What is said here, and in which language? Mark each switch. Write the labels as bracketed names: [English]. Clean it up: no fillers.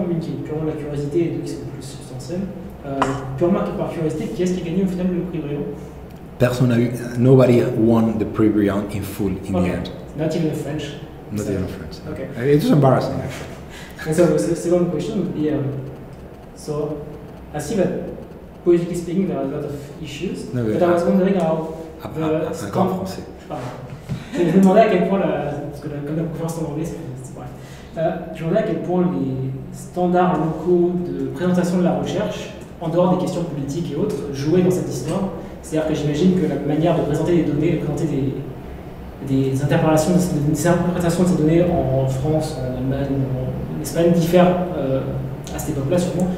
[French] Une qui est purement la curiosité et deux qui sont plus substantielles. Purement par curiosité, qui est-ce qui a gagné au final le prix Bréant? [English] Nobody won the Prix Bréant in full in the end. Not even the French. Not even the French. Okay. It's just embarrassing, actually. And so the second question would be, so I see that, politically speaking, there are a lot of issues. No, but I was wondering how the [French] Je me demandais à quel point, parce que la, comme la conférence en anglais, c'est vrai. Je me demandais à quel point les standards locaux de présentation de la recherche, en dehors des questions politiques et autres, jouaient dans cette histoire. C'est-à-dire que j'imagine que la manière de présenter des données, de présenter des interpolations, des interprétations de ces données en France, en Allemagne, en Espagne, diffèrent à cette époque-là, sûrement.